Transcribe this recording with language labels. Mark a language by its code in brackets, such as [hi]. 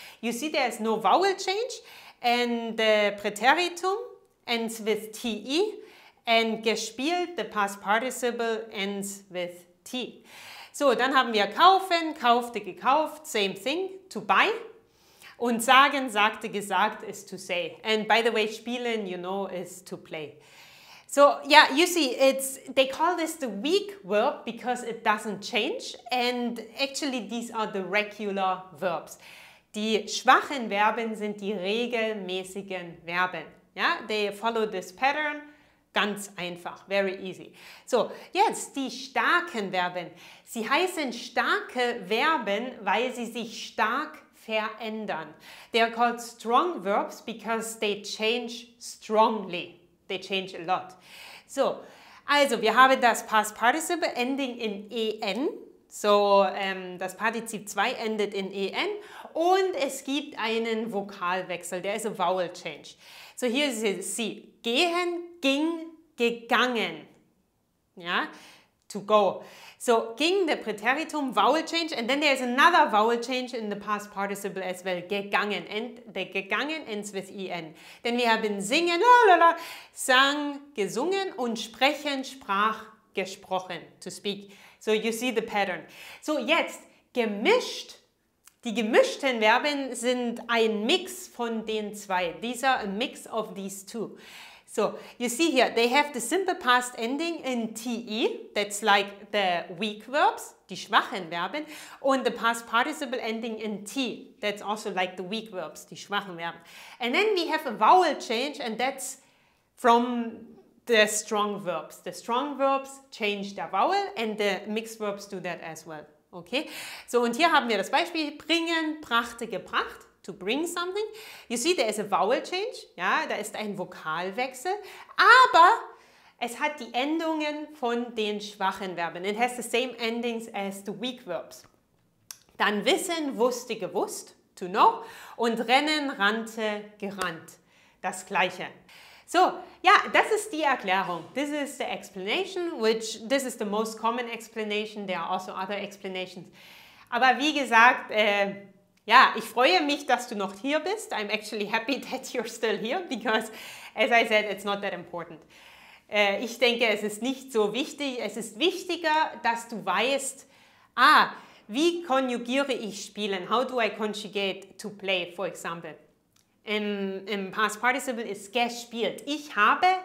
[en] You see, there is no vowel change and the Präteritum ends with TE and gespielt, the past participle ends with T. [de] So, dann haben wir kaufen, kaufte, gekauft, [en] same thing, to buy. [de] Und sagen, sagte, gesagt, [en] is to say. And by the way, spielen, you know, is to play. So, yeah, you see, it's they call this the weak verb because it doesn't change. And actually, these are the regular verbs. [de] Die schwachen Verben sind die regelmäßigen Verben. [en] Yeah? They follow this pattern. [de] Ganz einfach, [en] very easy. [de] So, jetzt die starken Verben. Sie heißen starke Verben, weil sie sich stark verändern. [en] They are called strong verbs because they change strongly. They change a lot. So, [de] also wir haben das [en] past participle ending in en. [de] So, das Partizip 2 endet in en und es gibt einen Vokalwechsel. [en] There is a vowel change. So here you see, gehen, ging, gegangen. Ja, to go. So, ging, the Präteritum, vowel change, and then there is another vowel change in the past participle as well, gegangen, and the gegangen ends with en. Then we have been singen, la la la, sang, gesungen, und sprechen, sprach, gesprochen, to speak. So, you see the pattern. [de] So, jetzt, gemischt, die gemischten Verben sind ein Mix von den zwei. [en] These are a mix of these two. So, you see here, they have the simple past ending in TE, that's like the weak verbs, die schwachen Verben, und the past participle ending in T, that's also like the weak verbs, die schwachen Verben. And then we have a vowel change, and that's from the strong verbs. The strong verbs change their vowel, and the mixed verbs do that as well. [de] Okay, so und hier haben wir das Beispiel, bringen, brachte, gebracht. [en] To bring something. You see, there is a vowel change. [de] Ja, da ist ein Vokalwechsel. Aber es hat die Endungen von den schwachen Verben. [en] It has the same endings as the weak verbs. [de] Dann wissen, wusste, gewusst. To know. Und rennen, rannte, gerannt. Das Gleiche. So, ja, das ist die Erklärung. [en] This is the explanation, which this is the most common explanation. There are also other explanations. [de] Aber wie gesagt, ja, ich freue mich, dass du noch hier bist. [en] I'm actually happy that you're still here, because, as I said, it's not that important. [de] Ich denke, es ist nicht so wichtig. Es ist wichtiger, dass du weißt, ah, wie konjugiere ich spielen? [en] How do I conjugate to play, for example? [de] Im past participle ist gespielt. Ich habe